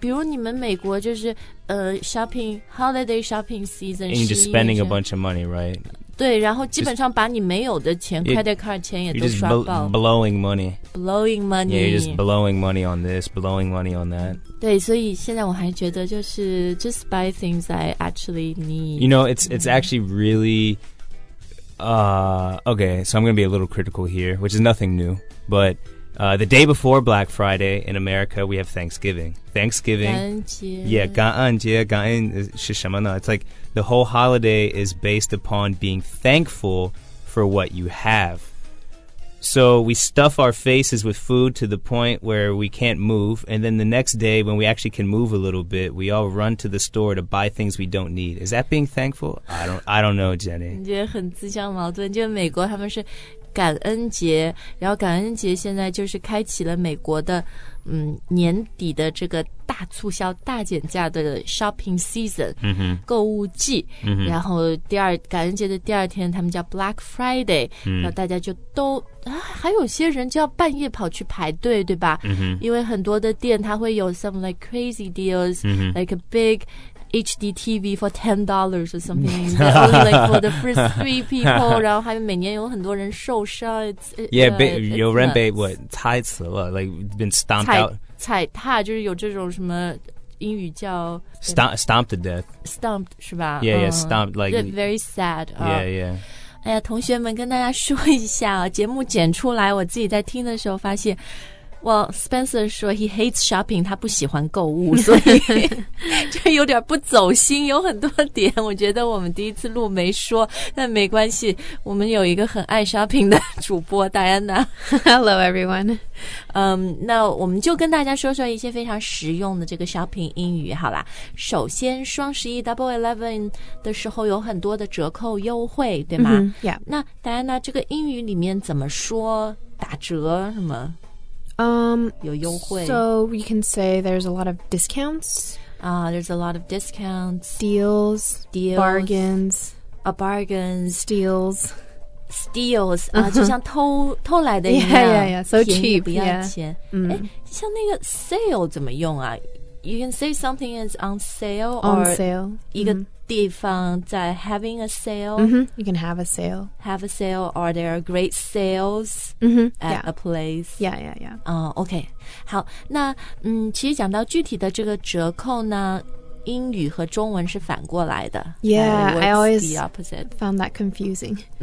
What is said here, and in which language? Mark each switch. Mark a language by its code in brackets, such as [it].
[zh] 比如你们美国就是 [en] shopping, holiday shopping season. And you're just spending a bunch of money, right? [zh] 对，然后基本上把你没有的钱 credit card 钱也都刷爆。 [en] You're just blowing money. Blowing money. Yeah, you're just blowing money on this, blowing money on that. [zh] 对，所以现在我还觉得就是 [en] just buy things I actually need. You know, it's actually really... okay, so I'm going to be a little critical here, which is nothing new, but the day before Black Friday in America, we have Thanksgiving. Thanksgiving. [zh] 感恩节 [en] Yeah, [zh] 感恩节感恩是什么呢 [en] It's like the whole holiday is based upon being thankful for what you have. So we stuff our faces with food to the point where we can't move, and then the next day when we actually can move a little bit, we all run to the store to buy things we don't need. Is that being thankful? I don't know, Jenny. [zh] 你觉得很自相矛盾，就美国他们是感恩节，然后感恩节现在就是开启了美国的年底的这个大促销大减价的 shopping season、 mm-hmm. 购物季、 mm-hmm. 然后第二感恩节的第二天他们叫 Black Friday、 mm-hmm. 然后大家就都、还有些人就要半夜跑去排队对吧、 mm-hmm. 因为很多的店它会有 [en] some like crazy deals、 mm-hmm. like a big HDTV for $10 or something only like for the first three people [zh] 然后还有每年有很多人受伤有人被踩死了 [en] like been stomped [zh] 踩, [en] out [zh] 踩踏就是有这种什么英语叫 [en] stomped to death [zh] stomped 是吧 [en] yeah stomped like very sad yeah [zh] 哎呀同学们跟大家说一下、啊、节目剪出来我自己在听的时候发现Well, Spencer 说 [en] he hates shopping, [zh] 他不喜欢购物，所以就有点不走心，有很多点，我觉得我们第一次录没说，但没关系，我们有一个很爱 shopping 的主播 Diana. [en] Hello, everyone. [zh] 那我们就跟大家说说一些非常实用的这个 shopping 英语好啦。首先，双十一 Double Eleven 的时候有很多的折扣优惠，对吗、 [en] mm-hmm. ？Yeah. [zh] 那 Diana 这个英语里面怎么说打折什么？有优惠 [en] So you can say there's a lot of discounts. There's a lot of discounts. Deals. Bargains. Bargains. Steals. [zh] Steals. 就像偷来的一样。 [en] Yeah. So cheap. [zh] 便宜不要钱。像那个 sale 怎么用啊 [en] You can say something is on sale. On sale. [zh] 一个地方在 having a sale. [en] Mm-hmm. You can have a sale. Have a sale. Are there great sales、 mm-hmm. at、 yeah. a place? Yeah. Okay. [zh] 好，那其实讲到具体的这个折扣呢，英语和中文是反过来的。 [en] Yeah, I always found that confusing.